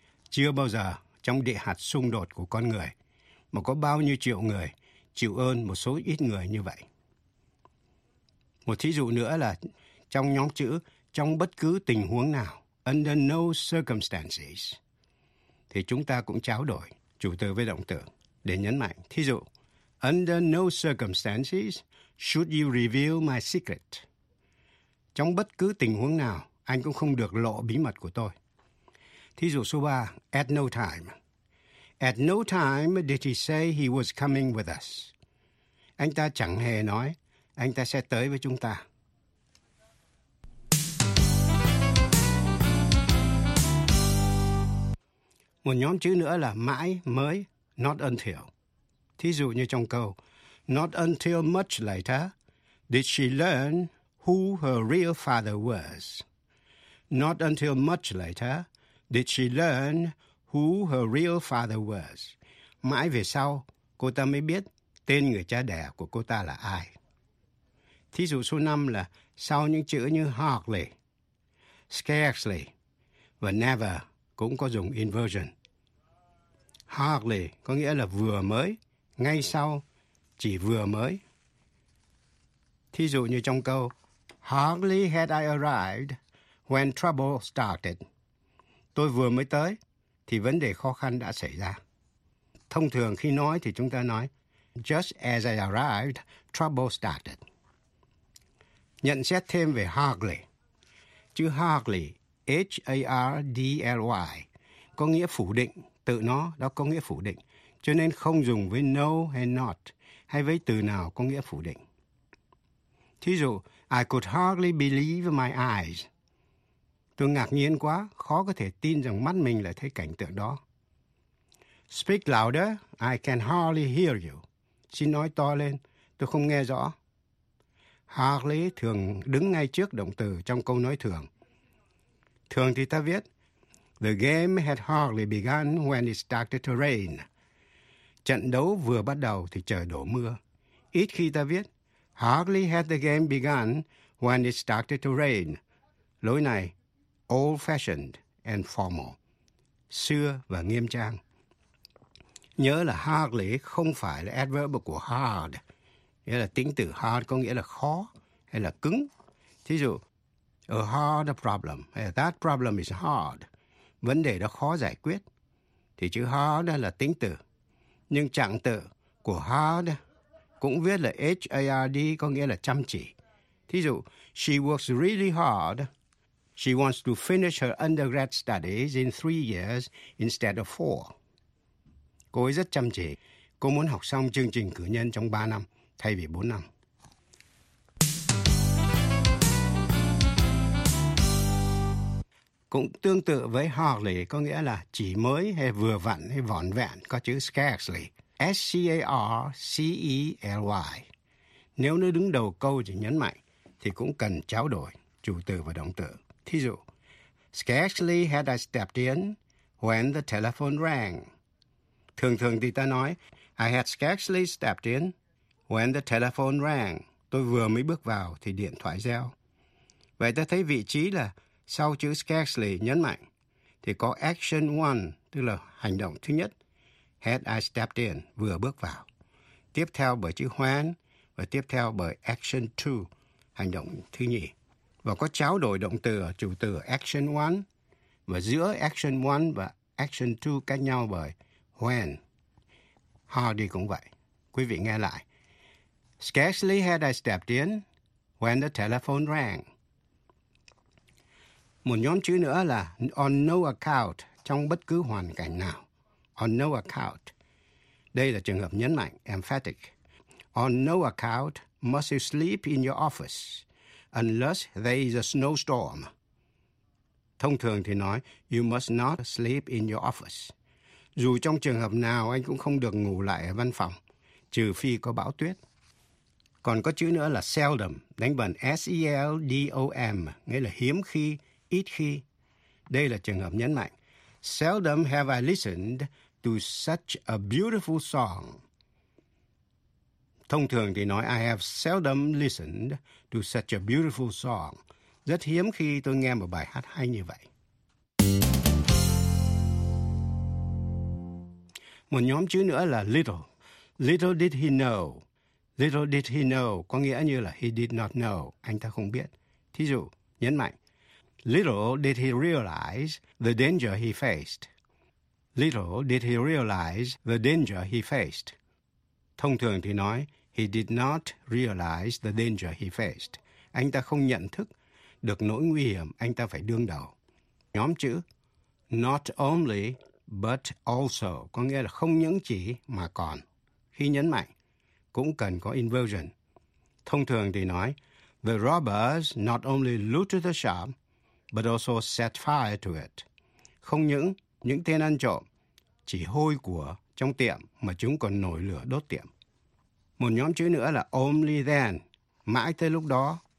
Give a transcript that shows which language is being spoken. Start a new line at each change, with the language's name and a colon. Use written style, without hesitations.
Vietnamese: Chưa bao giờ trong địa hạt xung đột của con người mà có bao nhiêu triệu người chịu ơn một số ít người như vậy. Một thí dụ nữa là trong nhóm chữ trong bất cứ tình huống nào,
English: under no circumstances,
Vietnamese: thì chúng ta cũng trao đổi chủ từ với động từ để nhấn mạnh. Thí dụ,
English: under no circumstances should you reveal my secret.
Vietnamese: Trong bất cứ tình huống nào, anh cũng không được lộ bí mật của tôi. Thí dụ số 3,
English: at no time. At no time did he say he was coming with us.
Vietnamese: Anh ta chẳng hề nói anh ta sẽ tới với chúng ta. Một nhóm chữ nữa là mãi, mới,
English: not until.
Vietnamese: Thí dụ như trong câu,
English: not until much later did she learn who her real father was. Not until much later did she learn who her real father was.
Vietnamese: Mãi về sau, cô ta mới biết tên người cha đẻ của cô ta là ai. Thí dụ số 5 là sau những chữ như hardly, scarcely và never cũng có dùng inversion. Hardly có nghĩa là vừa mới, ngay sau, chỉ vừa mới. Thí dụ như trong câu,
English: hardly had I arrived when trouble started.
Vietnamese: Tôi vừa mới tới, thì vấn đề khó khăn đã xảy ra. Thông thường khi nói thì chúng ta nói,
English: just as I arrived, trouble started.
Vietnamese: Nhận xét thêm về hardly. Chữ hardly, H-A-R-D-L-Y, có nghĩa phủ định. Tự nó đó có nghĩa phủ định, cho nên không dùng với no hay not, hay với từ nào có nghĩa phủ định.
English: Thí dụ, I could hardly believe my eyes.
Vietnamese: Tôi ngạc nhiên quá, khó có thể tin rằng mắt mình lại thấy cảnh tượng đó.
English: Speak louder, I can hardly hear you.
Vietnamese: Xin nói to lên, tôi không nghe rõ. Hardly thường đứng ngay trước động từ trong câu nói thường. Thường thì ta viết,
English: the game had hardly begun when it started to rain.
Vietnamese: Trận đấu vừa bắt đầu thì trời đổ mưa. Ít khi ta viết,
English: hardly had the game begun when it started to rain.
Vietnamese: Lối này,
English: old-fashioned and formal.
Vietnamese: Xưa và nghiêm trang. Nhớ là hardly không phải là adverb của hard. Nghĩa là tính từ hard có nghĩa là khó hay là cứng. Thí dụ,
English: a hard problem, that problem is hard.
Vietnamese: Vấn đề đó khó giải quyết. Thì chữ hard là tính từ. Nhưng trạng từ của hard cũng viết là H-A-R-D có nghĩa là chăm chỉ. Thí dụ,
English: she works really hard. She wants to finish her undergrad studies in 3 years instead of 4.
Vietnamese: Cô ấy rất chăm chỉ. Cô muốn học xong chương trình cử nhân trong 3 năm thay vì 4 năm. cũng tương tự với hardly, có nghĩa là chỉ mới hay vừa vặn hay vỏn vẹn, có chữ scarcely, S-C-A-R-C-E-L-Y. Nếu nó đứng đầu câu chỉ nhấn mạnh, thì cũng cần trao đổi chủ từ và động từ.
English: Thí dụ, scarcely had I stepped in when the telephone rang.
Vietnamese: Thường thường thì ta nói,
English: I had scarcely stepped in when the telephone rang.
Vietnamese: Tôi vừa mới bước vào thì điện thoại reo. Vậy ta thấy vị trí là sau chữ scarcely nhấn mạnh, thì có action one, tức là hành động thứ nhất,
English: had I stepped in,
Vietnamese: vừa bước vào. Tiếp theo bởi chữ when, và tiếp theo bởi action two, hành động thứ nhì. Và có trao đổi động từ ở chủ từ action one, và giữa action one và action two cách nhau bởi when. Hardy cũng vậy. Quý vị nghe lại.
English: Scarcely had I stepped in when the telephone rang.
Vietnamese: Một nhóm chữ nữa là
English: on no account,
Vietnamese: trong bất cứ hoàn cảnh nào.
English: On no account.
Vietnamese: Đây là trường hợp nhấn mạnh, emphatic.
English: On no account must you sleep in your office unless there is a snowstorm.
Vietnamese: Thông thường thì nói,
English: you must not sleep in your office.
Vietnamese: Dù trong trường hợp nào, anh cũng không được ngủ lại ở văn phòng, trừ phi có bão tuyết. Còn có chữ nữa là seldom, đánh bần S-E-L-D-O-M, nghĩa là hiếm khi, ít khi. Đây là trường hợp nhấn mạnh.
English: Seldom have I listened to such a beautiful song.
Vietnamese: Thông thường thì nói,
English: I have seldom listened to such a beautiful song.
Vietnamese: Rất hiếm khi tôi nghe một bài hát hay như vậy. Một nhóm chữ nữa là little.
English: Little did he know. Little did he know
Vietnamese: có nghĩa như là
English: he did not know.
Vietnamese: Anh ta không biết. Thí dụ, nhấn mạnh.
English: Little did he realize the danger he faced. Little did he realize the danger he faced.
Vietnamese: Thông thường thì nói,
English: he did not realize the danger he faced.
Vietnamese: Anh ta không nhận thức được nỗi nguy hiểm anh ta phải đương đầu. Nhóm chữ
English: not only but also
Vietnamese: có nghĩa là không những chỉ mà còn. Khi nhấn mạnh, cũng cần có inversion. Thông thường thì nói,
English: the robbers not only looted the shop but also set fire to it.
Vietnamese: Không những tên ăn trộm chỉ hôi của trong tiệm mà chúng còn nổi lửa đốt tiệm. Một nhóm chữ nữa là
English: only then,
Vietnamese: mãi tới lúc đó.